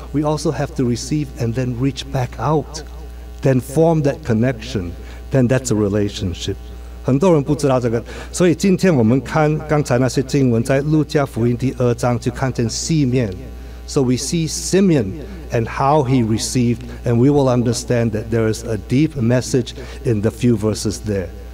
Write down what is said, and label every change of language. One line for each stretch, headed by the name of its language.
English: We also have to receive and then reach back out. Then form that connection. Then that's a relationship.
Chinese: 很多人不知道这个。所以今天我们看刚才那些经文在路加福音第二章就看见西面。
English: So we see Simeon and how he received, and we will understand that there is a deep message in the few verses there.